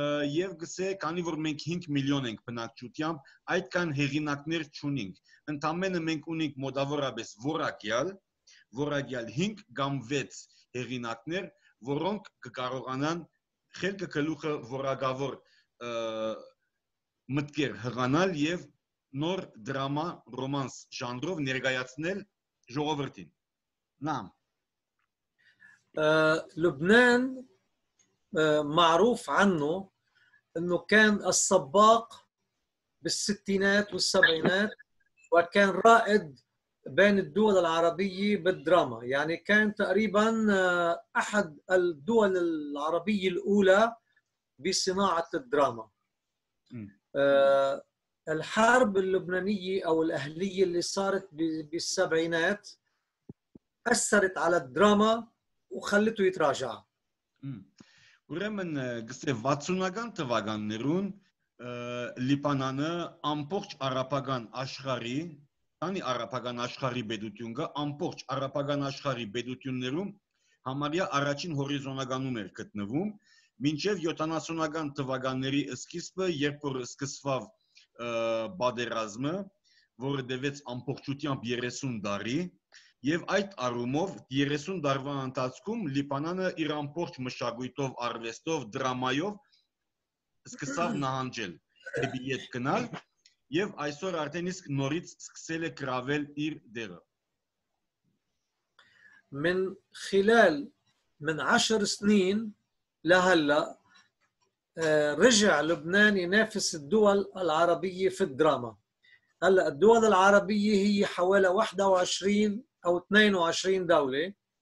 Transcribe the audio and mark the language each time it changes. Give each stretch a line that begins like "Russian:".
Armenian: Եվ գսե, քանի որ մենք 5 միլիոն ենք բնակչությամբ, այդքան հեղինակներ չունենք։ Ընդամենը մենք ունենք մոտավորապես վորակյալ, որակյալ 5 կամ 6 հեղինակներ, որոնք կկարողանան խելքը գլուխը որակավոր մտքեր հղանալ եւ նոր դրամա ռոմանս ժանրով ներկայացնել ժողովրդին։ Նամ
Arabic: Լուբնան մարուֆ աննո նո կան ասսաբակ բիսսիտինատ ու սաբինատ ու կան ռաիդ بين الدول العربية بالدراما، يعني كان تقريبا أحد الدول العربية الأولى بصناعة الدراما. الحرب اللبنانية أو الأهلية اللي صارت بالسبعينات أثرت على الدراما وخلته يتراجع.
Armenian: ուրեմն գսե 60-ական թվականներուն Լիբանանը ամբողջ արաբական աշխարհի քանի արաբական աշխարհի պետություն կա, ամբողջ արաբական աշխարհի պետություններում համարյա առաջին հորիզոնականում էր գտնվում, մինչև 70-ական թվականների սկիզբը, երբ որ սկսվավ պատերազմը, որը տևեց ամբողջությամբ 30 տարի, եւ այդ առումով 30 տարվա ընթացքում Լիբանանը իր ամբողջ մշակույթով, արվեստով, դրամայով սկսավ նահանջել դեպի ետ գնալ։ Եվ այսօր արդեն իսկ նորից սկսել է գravel իր դերը։
Arabic: من خلال من 10 سنين لهلا رجع لبنان ينافس الدول العربية في الدراما. هلا الدول العربية هي حوالي 21 او 22 دولة.